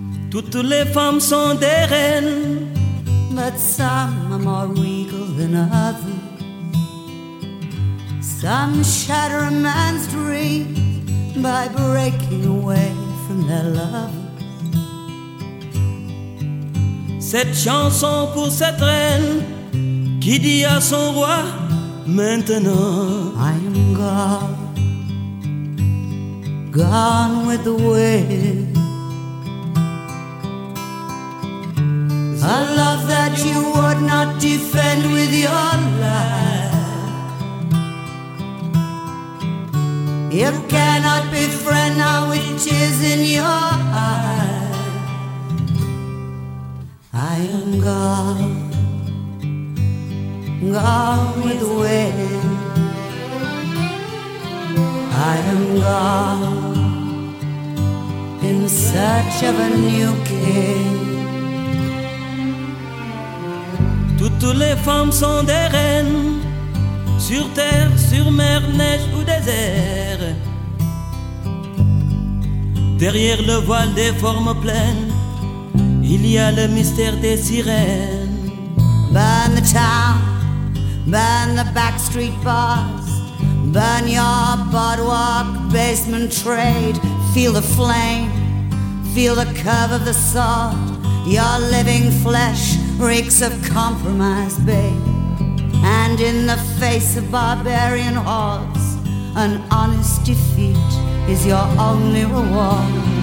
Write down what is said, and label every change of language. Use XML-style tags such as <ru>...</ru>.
<fr>Toutes les femmes sont des reines,</fr> <en>but some are more regal than others. Some shatter a man's dreams by breaking away from their lovers.</en> <fr>Cette chanson pour cette reine qui dit à son roi maintenant,</fr> <en>I am gone, gone with the wind. A love that you would not defend with your life. You cannot befriend now with tears in your eyes. I am gone, gone with the wind. I am gone in search of a new king.</en> <fr>Toutes les femmes sont des reines, sur terre, sur mer, neige ou désert. Derrière le voile des formes pleines, il y a le mystère des sirènes.</fr> <en>Burn the town, burn the back street bars, burn your boardwalk, basement trade. Feel the flame, feel the curve of the sword, your living flesh. Reeks of compromise, babe. And in the face of barbarian hordes, an honest defeat is your only reward.</en>